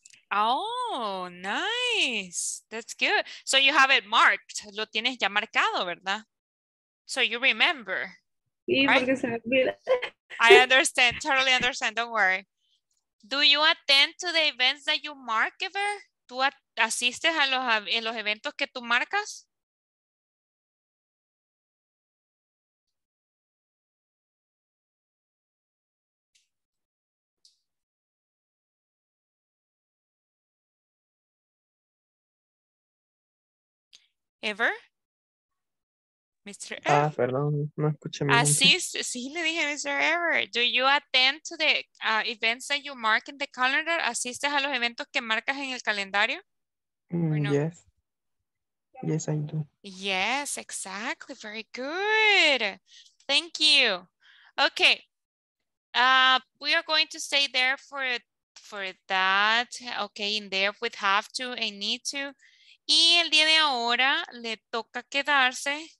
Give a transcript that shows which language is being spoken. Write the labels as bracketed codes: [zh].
[en] Oh, nice. That's good. So you have it marked. [es] Lo tienes ya marcado, ¿verdad? [en] So you remember. Right? I understand. Totally understand. Don't worry. Do you attend to the events that you mark ever? [es] ¿Tú asistes a los eventos que tú marcas? [en] Ever? Mr. [es] Ever. Ah, perdón, no escuché mi nombre. Sí, le dije Mr. Ever. [en] Do you attend to the events that you mark in the calendar? [es] ¿Asistes a los eventos que marcas en el calendario? [en] Yes. Yes, I do. Yes, exactly. Very good. Thank you. Okay. We are going to stay there for that. Okay, in there with have to and need to. [es] Y el día de ahora le toca quedarse.